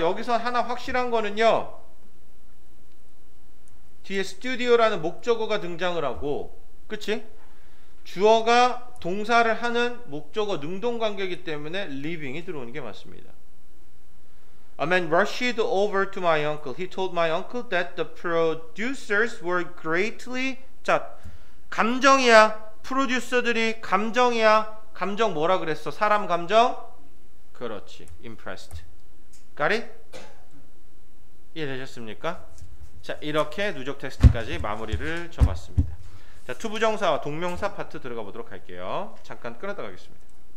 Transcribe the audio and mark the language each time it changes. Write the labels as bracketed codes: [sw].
[ko] 여기서 하나 확실한 거는요 뒤에 스튜디오라는 목적어가 등장을 하고 그치? 주어가 동사를 하는 목적어 능동관계이기 때문에 leaving이 들어오는 게 맞습니다. [en] A man rushed over to my uncle. He told my uncle that the producers were greatly [ko] 자, 감정이야. 프로듀서들이 감정이야. 감정 뭐라 그랬어? 사람 감정? 그렇지. [en] Impressed. Got it? [ko] 이해되셨습니까? 자, 이렇게 누적 테스트까지 마무리를 접었습니다. 자, 투부정사와 동명사 파트 들어가 보도록 할게요. 잠깐 끊었다 가겠습니다.